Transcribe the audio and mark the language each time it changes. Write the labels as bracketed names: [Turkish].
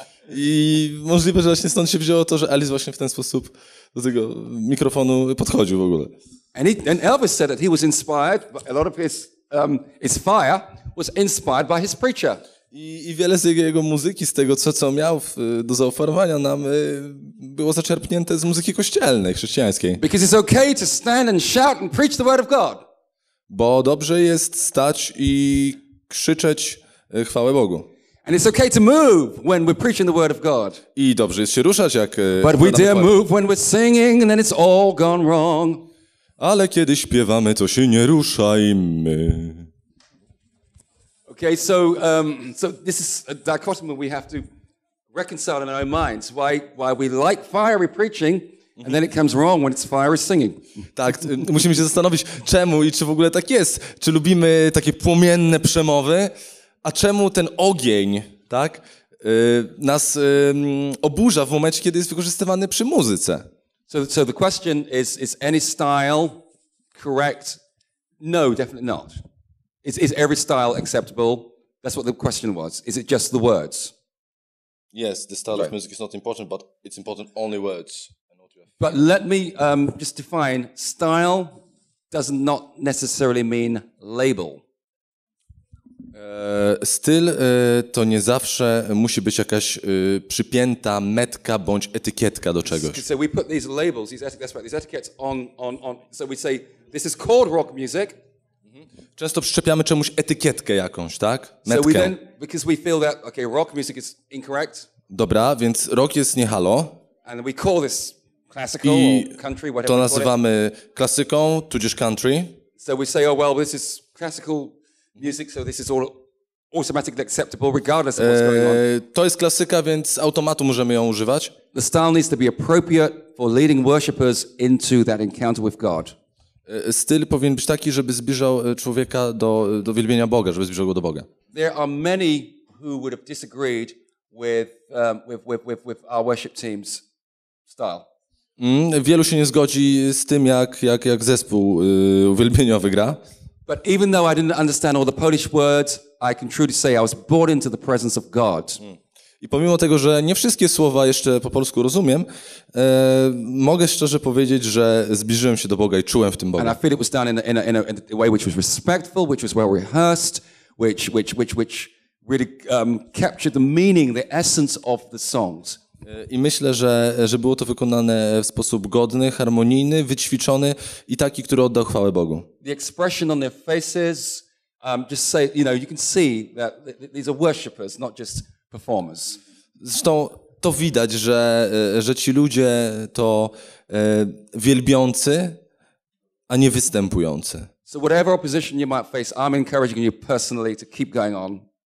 [Polish] I możliwe, że właśnie stąd się wzięło to, że Elvis właśnie w ten sposób do tego mikrofonu podchodził w ogóle. [English] And Elvis said that he was inspired, a lot of his fire was inspired by his preacher. [Polish] I wiele z jego muzyki, z tego co miał do zaoferowania nam, było zaczerpnięte z muzyki kościelnej, chrześcijańskiej. [English] Because it's okay to stand and shout and preach the word of God. [Polish] Bo dobrze jest stać i krzyczeć chwałę Bogu. [English] And it's okay to move when we're preaching the word of God. [Polish] I dobrze jest się ruszać, jak. [English] But we dare move when we're singing, and then it's all gone wrong. [Polish] Ale kiedy śpiewamy, to się nie ruszajmy. [English] Okay, so this is a dichotomy we have to reconcile in our minds. Why we like fiery preaching, and then it comes wrong when it's fiery singing. [Polish] Tak, musimy się zastanowić, czemu i czy w ogóle tak jest. Czy lubimy takie płomienne przemowy? A czemu ten ogień, tak, nas oburza w momencie, kiedy jest wykorzystywany przy muzyce? [English] So the question is any style correct? No, definitely not. Is every style acceptable? That's what the question was. Is it just the words? Yes, the style of music is not important, but it's important only words. But let me just define, style does not necessarily mean label. [Polish] Styl to nie zawsze musi być jakaś przypięta metka bądź etykietka do czegoś. [English] So we put these labels, these etiquettes on. So we say this is called rock music. [Polish] Często przyczepiamy czemuś etykietkę jakąś, tak? Metkę. [English] So we then, because we feel that okay, rock music is incorrect. [Polish] Dobra, więc rock jest nie halo. [English] And we call this classical, [Polish] i [English] or country, whatever. [Polish] To nazywamy klasyką, tudzież country. [English] So we say, oh well, this is classical music, so this is all automatically acceptable, regardless of what's going on. [Polish] To jest klasyka, więc automatu możemy ją używać. [English] The style needs to be appropriate for leading worshippers into that encounter with God. [Polish] Styl powinien być taki, żeby zbliżał człowieka do wielbienia Boga, żeby zbliżał go do Boga. [English] There are many who would have disagreed with our worship team's style. [Polish] Wielu się nie zgodzi z tym, jak zespół uwielbieniowy gra. [English] But even though I didn't understand all the Polish words, I can truly say I was brought into the presence of God. [Polish] I pomimo tego, że nie wszystkie słowa jeszcze po polsku rozumiem, mogę szczerze powiedzieć, że zbliżyłem się do Boga i czułem w tym Boga. [English] And I feel it was done in a way which was respectful, which was well rehearsed, which really capture the meaning, the essence of the songs. [Polish] I myślę, że było to wykonane w sposób godny, harmonijny, wyćwiczony i taki, który oddał chwałę Bogu. [English] The expression on their faces, just say, you know, you can see that these are worshippers, not just performers. [Polish] Zresztą to widać, że ci ludzie to wielbiący, a nie występujący. [English] So whatever opposition you might face, I'm encouraging you personally to keep going on.